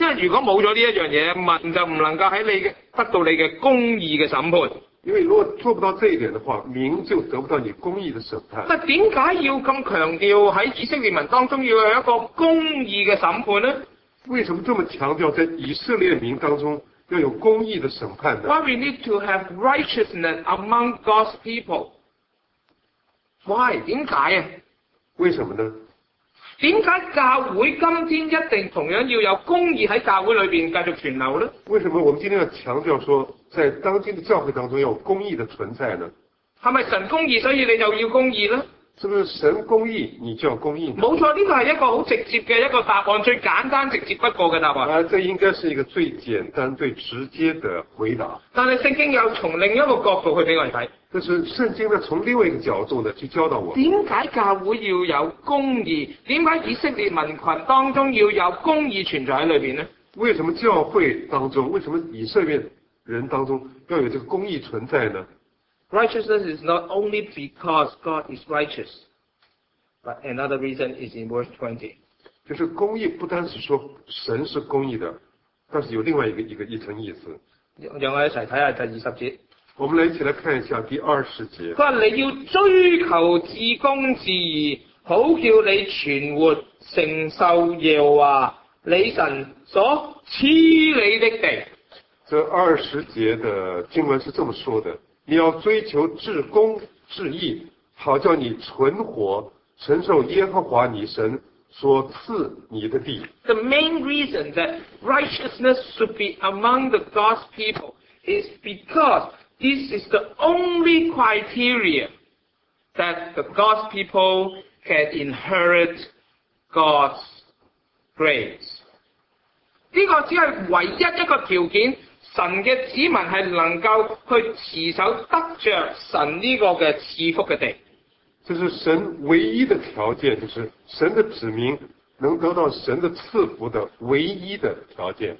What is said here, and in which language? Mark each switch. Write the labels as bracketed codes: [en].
[zh] 即是如果没有了这一样东西，民就不能够在你得到你的公义的审判。因为如果做不到这一点的话，民就得不到你公义的审判。那为什么要这么强调在以色列民当中要有一个公义的审判呢？为什么这么强调在以色列民当中要有公义的审判呢？ [en] Why we need to have righteousness among God's people? Why? [zh] 为什么呢？为什么呢？为什么教会今天一定同样要有公义在教会里面继续存留呢？为什么我们今天要强调说在当今的教会当中要有公义的存在呢？是不是神公义所以你就要公义呢？是不是神公义你就要公义呢？没错，这个是一个很直接的一个答案，最简单直接不过的答案。这应该是一个最简单最直接的回答。但是圣经又从另一个角度去给我们看。就是圣经呢从另外一个角度呢去教导我。为什么教会要有公义？为什么以色列民群当中要有公义存在在里面呢？为什么教会当中，为什么以色列人当中要有这个公义存在呢？ [en] Righteousness is not only because God is righteous, but another reason is in verse 20. [zh] 就是公义不单是说神是公义的，但是有另外一层意思。让我一起看一下第二十节。我们来一起来看一下第二十节。他说你要追求至公至义，好叫你存活承受耶和华你神所赐你的地。这二十节的经文是这么说的，你要追求至公至义，好叫你存活承受耶和华你神所赐你的地。 [en] The main reason that righteousness should be among the God's people is becauseThis is the only criteria that the God's people can inherit God's grace. [zh] 这个只是唯一一个条件，神的子民是能够去持守得着神这个的赐福的地。这是神唯一的条件，就是神的子民能得到神的赐福的唯一的条件。